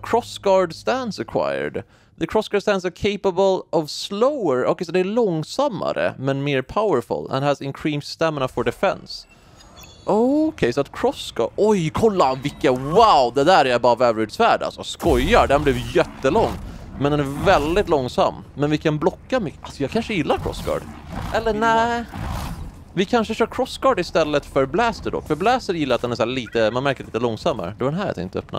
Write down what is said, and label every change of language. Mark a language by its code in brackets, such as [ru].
[en] Crossguard stance acquired. The crossguard stance are capable of slower. [sv] Okej, okay, så det är långsammare, men mer powerful. [en] And has increased stamina for defense. [sv] Okej, så att crossguard... Oj, kolla vilka... Wow, det där är above average svärd. Alltså, skojar. Den blev jättelång. Men den är väldigt långsam. Men vi kan blocka mycket. Alltså, jag kanske gillar crossguard. Eller nej... Vi kanske kör crossguard istället för blaster då. För blaster gillar att den är så här lite, man märker lite långsammare. Då är den här jag tänkte öppna.